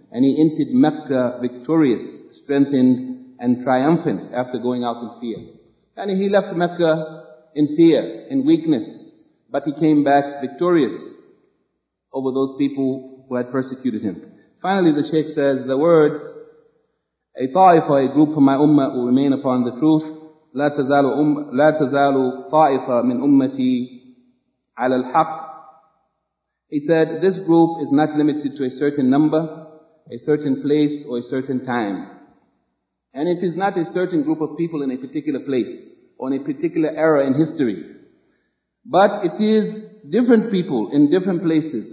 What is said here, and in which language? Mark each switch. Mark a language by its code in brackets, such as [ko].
[en] And he entered Mecca victorious, strengthened and triumphant after going out in fear. And he left Mecca in fear, in weakness, but he came back victorious over those people who had persecuted him. Finally, the Shaykh says, the words, a ta'if, or a group from my ummah, will remain upon the truth. [ar] لَا تَزَالُ طَائِفَ مِنْ أُمَّتِي عَلَى الْحَقِّ. [en] He said, this group is not limited to a certain number, a certain place, or a certain time. And it is not a certain group of people in a particular place, or in a particular era in history. But it is different people in different places.